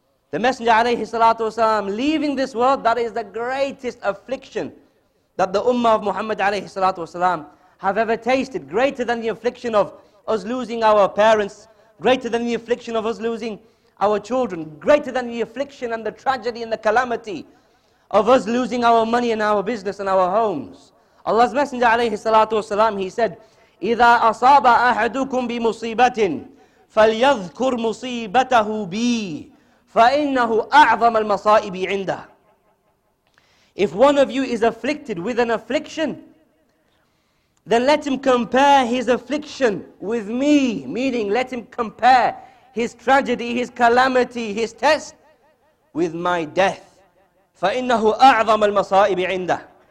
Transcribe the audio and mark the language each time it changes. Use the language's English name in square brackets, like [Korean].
[English] The Messenger alayhi salatu wasalam leaving this world, that is the greatest affliction that the ummah of Muhammad alayhi salatu wasalam have ever tasted, greater than the affliction of us losing our parents, greater than the affliction of us losing our children, greater than the affliction and the tragedy and the calamity of us losing our money and our business and our homes. Allah's Messenger [Arabic] alayhi salatu wasalam, [English] he said, [Arabic] إِذَا أَصَابَ أَحَدُكُمْ بِمُصِيبَةٍ فَلْيَذْكُرْ مُصِيبَتَهُ بِي فَإِنَّهُ أَعْظَمَ الْمَصَائِبِ عِنْدَهُ. [English] If one of you is afflicted with an affliction, then let him compare his affliction with me, meaning let him compare his tragedy, his calamity, his test with my death. [Arabic] فَإِنَّهُ أَعْظَمَ الْمَصَائِبِ عِنْدَهُ.